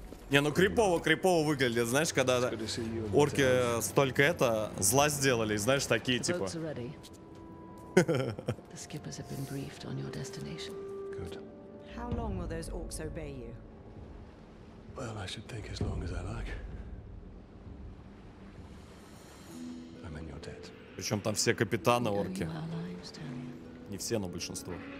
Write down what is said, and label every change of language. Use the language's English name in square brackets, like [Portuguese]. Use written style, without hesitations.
[Russian] Не, ну крипово выглядит, знаешь, когда орки столько это зла сделали, знаешь, такие типа. [English] The skippers have been briefed on your destination. Good. How long will those orcs obey you? Well, I should think as long as I like. I'm in your debt. [Russian] Причем там все капитаны орки. Не все, но большинство.